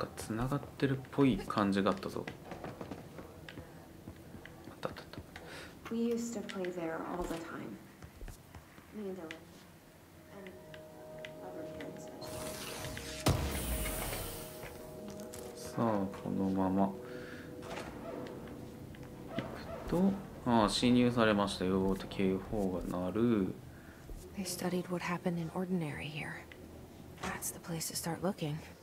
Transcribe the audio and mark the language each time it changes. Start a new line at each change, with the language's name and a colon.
Japanese: 繋がってるっぽい感じがあったぞ。あったあったあった。
English: We used to play there all the time. Me and Dylan.
Japanese: さあこのまま行くと、ああ侵入されましたよって警報が鳴る。
English: They studied what happened in ordinary here. That's the place to start looking.